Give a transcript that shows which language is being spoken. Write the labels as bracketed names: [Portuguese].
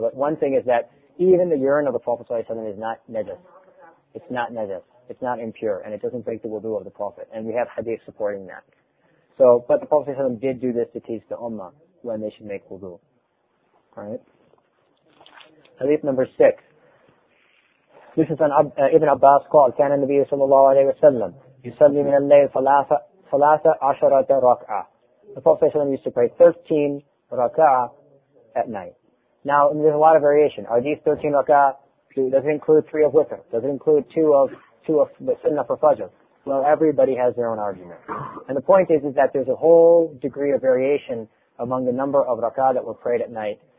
[English] But one thing is that even the urine of the Prophet is not najas. It's not najas. It's not impure and it doesn't break the wudu of the Prophet. And we have hadith supporting that. So, but the Prophet ﷺ did do this to teach the Ummah when they should make wudu. Alright? Hadith number 6. This is an Ibn Abbas called, [Arabic] كان النبي صلى الله عليه وسلم يصلي من الليل ثلاثة عشرة ركعة. [English] The Prophet ﷺ used to pray 13 rak'ah at night. Now, there's a lot of variation. Are these 13 rak'ah, does it include 3 of witr? Does it include 2 of the sunnah for fajr? Well, everybody has their own argument. And the point is that there's a whole degree of variation among the number of rak'ah that were prayed at night.